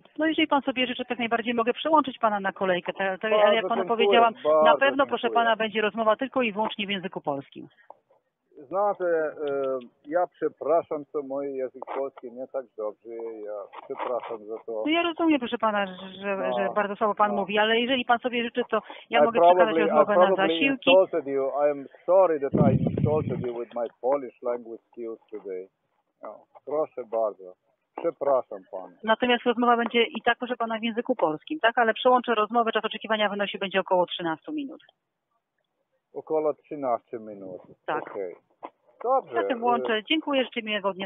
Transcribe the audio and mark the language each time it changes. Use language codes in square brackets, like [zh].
[pl] No jeżeli pan sobie życzy, to tak najbardziej mogę przełączyć pana na kolejkę, to, ale jak panu powiedziałam, na pewno, proszę pana, będzie rozmowa tylko i wyłącznie w języku polskim. Znaczy, ja przepraszam, to mój język polski nie tak dobrze, ja przepraszam za to. No ja rozumiem, proszę pana, że bardzo słabo pan mówi, ale jeżeli pan sobie życzy, to ja mogę przekazać rozmowę na zasiłki. [en] Insulted you. I'm sorry that I insulted you with my Polish language skills today. [pl] No, proszę bardzo, przepraszam pana. Natomiast rozmowa będzie i tak, proszę pana, w języku polskim, tak? Ale przełączę rozmowę, czas oczekiwania wynosi będzie około 13 minut. Około 13 minut. Tak. Okay. Dobrze. Zatem włączę. Dziękuję, życzę miłego dnia.